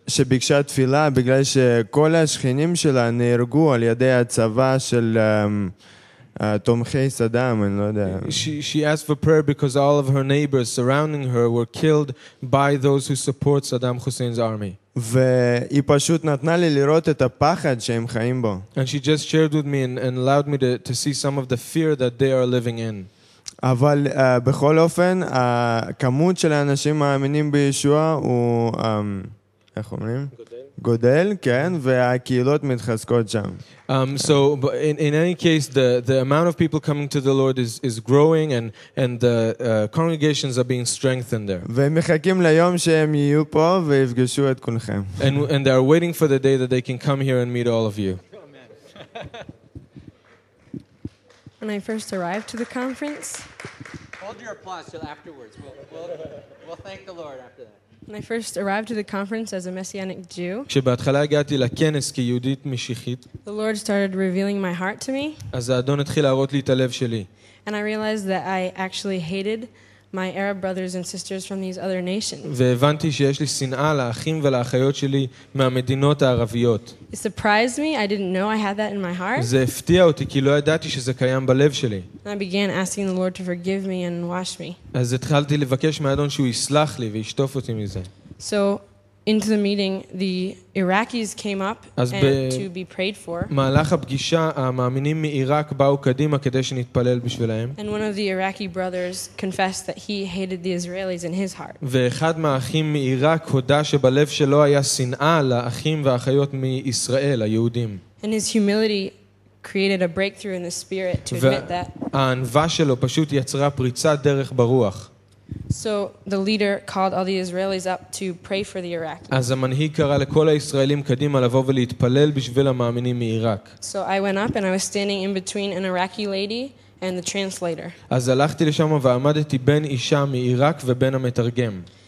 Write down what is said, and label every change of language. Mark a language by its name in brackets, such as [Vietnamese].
[Hebrew] שביקשה תפילה בגלל שכל השכנים שלה נהרגו על ידי הצבא של תומכי סדאם, אני לא יודע. [English] She asked for prayer because all of her neighbors surrounding her were killed by those who support Saddam Hussein's army. [Hebrew] והיא פשוט נתנה לי לראות את הפחד שהם חיים בו. [English] And she just shared with me and allowed me to see some of the fear that they are living in. [Hebrew] אבל בכל אופן הכמות של האנשים מאמינים בישוע הוא איך אומרים? גודל, כן, והקהילות מתחזקות שם. [English] So in any case the amount of people coming to the Lord is growing and the congregations are being strengthened there. [Hebrew] ומחכים ליום שהם יהיו פה ויפגשו את כולכם. [English] And they are waiting for the day that they can come here and meet all of you. When I first arrived to the conference. Hold your applause till afterwards. We'll thank the Lord after that. When I first arrived to the conference as a Messianic Jew, [Hebrew] כשבהתחלה הגעתי לכנס כיהודית משיחית, [English] the Lord started revealing my heart to me. [Hebrew] אז האדון התחיל להראות לי את הלב שלי. [English] And I realized that I actually hated my Arab brothers and sisters from these other nations. [Hebrew] והבנתי שיש לי שנאה לאחים ולאחיות שלי מהמדינות הערביות. [English] It surprised me. I didn't know I had that in my heart. [Hebrew] זה הפתיע אותי כי לא ידעתי שזה קיים בלב שלי. [English] I began asking the Lord to forgive me and wash me. [Hebrew] אז התחלתי לבקש מהאדון שהוא יסלח לי וישטוף אותי מזה. [English] So into the meeting, the Iraqis came up and to be prayed for. [Hebrew] מהלך הפגישה, המאמינים מעיראק באו קדימה כדי שנתפלל בשבילהם. [English] And one of the Iraqi brothers confessed that he hated the Israelis in his heart. [Hebrew] ואחד מהאחים מעיראק הודה שבלב שלו היה שנאה לאחים והאחיות מישראל, היהודים. [English] And his humility created a breakthrough in the spirit to admit that. [Hebrew] והענווה שלו פשוט יצרה פריצת דרך ברוח. [English] So the leader called all the Israelis up to pray for the Iraqis. [Hebrew] אז המנהיג קרא לכל הישראלים קדימה לבוא ולהתפלל בשביל המאמינים מעיראק. [English] So I went up and I was standing in between an Iraqi lady and the translator. [Hebrew] אז הלכתי לשם ועמדתי בין אישה מעיראק ובין המתרגם.